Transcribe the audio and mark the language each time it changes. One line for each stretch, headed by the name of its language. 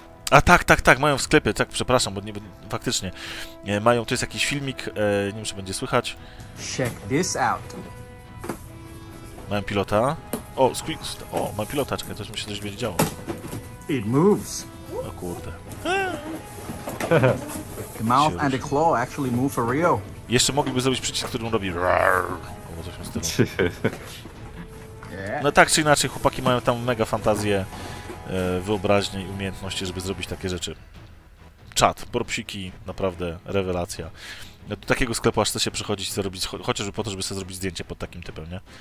Polish: A tak, mają w sklepie, tak, przepraszam, bo nie, faktycznie, nie, mają, to jest jakiś filmik, nie wiem, czy będzie słychać.
English: Check this out.
Polish: Mają pilota. Mają pilota, czekaj, to się coś będzie działo.
English: It moves.
Polish: O kurde.
English: The mouth and the claw actually move for real.
Polish: Jeszcze mogliby zrobić przycisk, który on robi albo coś z tym. No tak czy inaczej, chłopaki mają tam mega fantazję. Wyobraźnie i umiejętności, żeby zrobić takie rzeczy. Czad, propsiki, naprawdę rewelacja. Do takiego sklepu aż chce się przychodzić i zrobić, chociażby po to, żeby sobie zrobić zdjęcie pod takim typem, nie?